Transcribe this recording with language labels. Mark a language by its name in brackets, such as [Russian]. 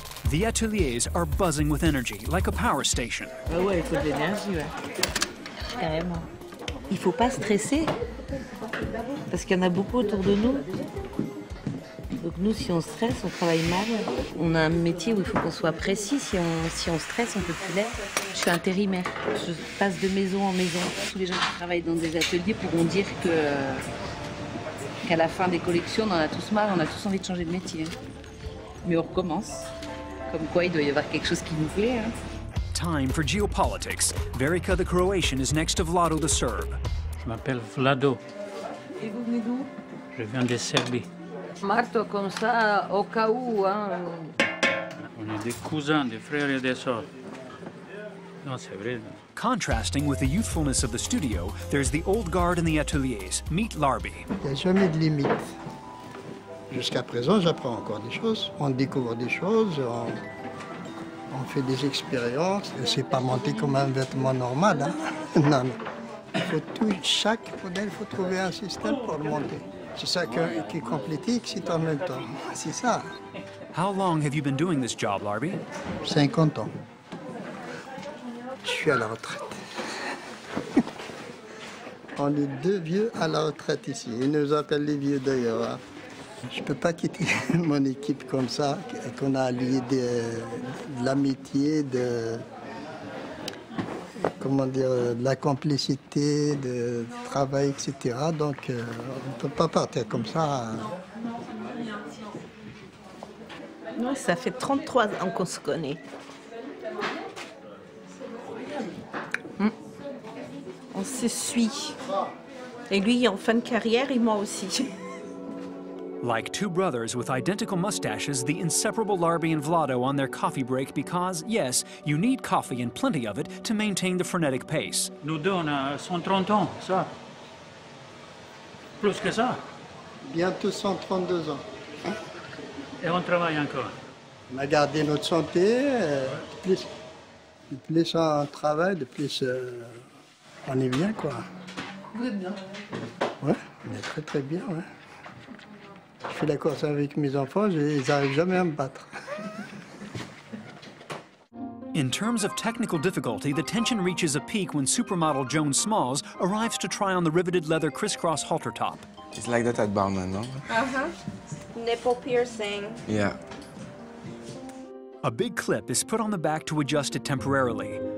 [English] The ateliers are buzzing with energy, like a power station. [French] Ah ouais, il faut de l'énergie, ouais. Carrément. Il faut pas stresser, parce qu'il y en a beaucoup autour de nous. Donc nous, si on stresse, on travaille mal. On a un métier où il faut qu'on soit précis. Si on stresse, on peut plus l'être. Je suis intérimaire. Je passe de maison en maison. Tous les gens qui travaillent dans des ateliers pourront dire qu'à la fin des collections, on en a tous marre, on a tous envie de changer de métier. Mais on recommence. Comme quoi, il doit y avoir quelque chose qui nous plaît, hein. [English] Time for geopolitics. Verica the Croatian is next to Vlado the Serb. [French] Je m'appelle Vlado. Et vous venez d'où? Je viens de Serbie. Marto, comme ça, au cas où, hein. On est des cousins, des frères et des sœurs. Non, c'est vrai. Non? [English] Contrasting with the youthfulness of the studio, there's the old guard in the ateliers. Meet Larby. [French] Il n'y a jamais de limite. Jusqu'à présent, j'apprends encore des choses. On découvre des choses, on fait des expériences. Et c'est pas monté comme un vêtement normal, hein. Non, non. Il faut tout, chaque modèle, il faut trouver un système pour le monter. C'est ça qui est compliqué, c'est en même temps. C'est ça. [English] How long have you been doing this job, Larby? [French] 50 ans. je suis à la retraite. On est deux vieux à la retraite ici. Ils nous appellent les vieux d'ailleurs. Hein. Je ne peux pas quitter mon équipe comme ça, qu'on a lié de l'amitié, de... comment dire, de la complicité, de travail, etc. Donc, on ne peut pas partir comme ça. Ça fait 33 ans qu'on se connaît. On se suit. Et lui, en fin de carrière, et moi aussi. [English] Like two brothers with identical mustaches, the inseparable Larbi and Vlado on their coffee break because, yes, you need coffee and plenty of it to maintain the frenetic pace. [French] Nous deux, on a 130 ans, ça. Plus que ça. Bientôt 132 ans. Et on travaille encore. On a gardé notre santé. Plus on travaille, plus on est bien, quoi. Vous êtes bien. Ouais, on est très très bien, ouais. Je fais la course avec mes enfants, ils n'arrivent jamais à me battre. [English] In terms of technical difficulty, the tension reaches a peak when supermodel Joan Smalls arrives to try on the riveted leather crisscross halter top. It's like that at Balmain, no? Uh-huh. Nipple piercing. Yeah. A big clip is put on the back to adjust it temporarily.